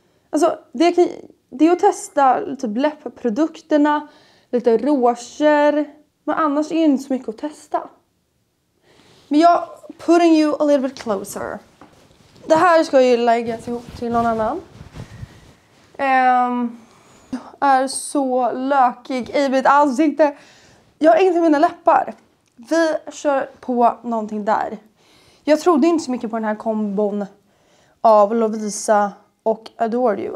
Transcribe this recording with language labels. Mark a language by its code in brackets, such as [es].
[sv] Alltså, det är att testa typ läppprodukterna, lite rouger. Men annars är det inte så mycket att testa. Men jag... [en] Putting you a little bit closer. [sv] Det här ska jag ju lägga ihop till någon annan. Jag är så lökig i mitt ansikte. Jag har ingenting med mina läppar. Vi kör på någonting där. Jag trodde inte så mycket på den här kombon av Lovisa och Adore You.